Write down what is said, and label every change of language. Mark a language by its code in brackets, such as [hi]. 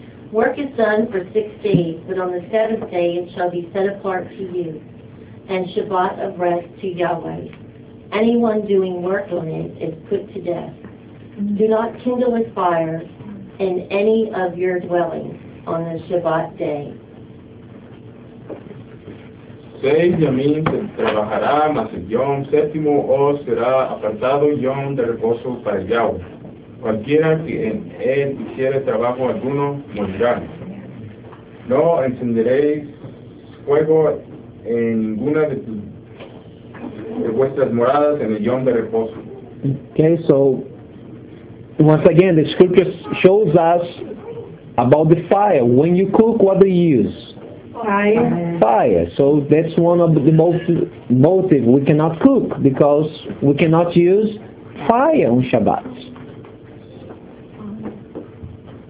[en] Work is done for 6 days, but on the seventh day it shall be set apart to you, and Shabbat of rest to Yahweh. Anyone doing work on it is put to death. Do not kindle a fire in any of your dwellings on the Shabbat day. [es] 6 y a mí se trabajará, mas el yom séptimo será apartado yom de reposo para Yahweh. Cualquiera que en él hiciere trabajo alguno, morirá. No encenderéis fuego en ninguna de, vuestras moradas en el yom de reposo. [en] Okay, so once again, the scripture shows us about the fire. When you cook, what do you use? Fire. So that's one of the motive we cannot cook, because we cannot use fire on Shabbat.